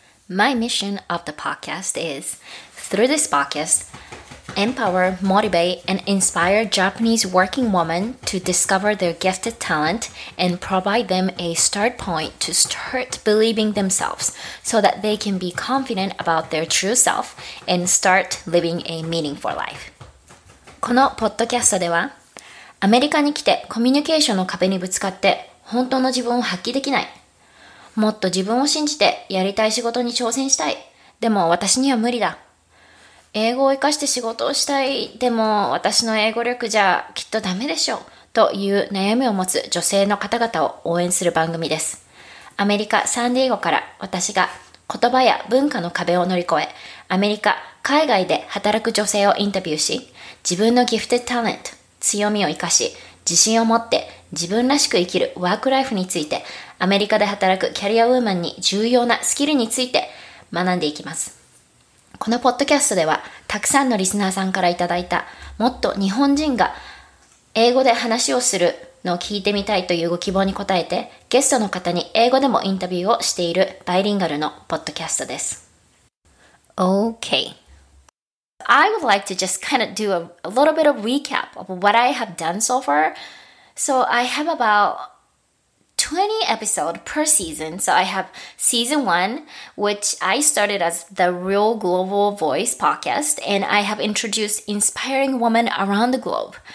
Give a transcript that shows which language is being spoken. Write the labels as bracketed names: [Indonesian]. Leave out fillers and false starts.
[English] My mission of the podcast is, through this podcast, empower, motivate, and inspire Japanese working women to discover their gifted talent and provide them a start point to start believing themselves so that they can be confident about their true self and start living a meaningful life. [Japanese] このポッドキャストでは、アメリカに来てコミュニケーションの壁にぶつかって本当の自分を発揮できない。もっと自分を信じてやりたい仕事に挑戦したい。でも私には無理だ。英語を活かして仕事をしたい。でも私の英語力じゃきっとダメでしょう。という悩みを持つ女性の方々を応援する番組です。アメリカ・サンディエゴから私が言葉や文化の壁を乗り越え、アメリカ・海外で働く女性をインタビューし、自分のギフテッドタレント、強みを活かし、自信を持って自分らしく生きるワークライフについて、アメリカで働くキャリアウーマンに重要なスキルについて学んでいきます。このポッドキャストでは、たくさんのリスナーさんからいただいた、もっと日本人が英語で話をするのを聞いてみたいというご希望に応えて、ゲストの方に英語でもインタビューをしているバイリンガルのポッドキャストです。 [English] Okay. I would like to just kind of do a little bit of recap of what I have done so far. So I have about 20 episodes per season. So I have season one, which I started as the Real Global Voice podcast, and I have introduced inspiring women around the globe.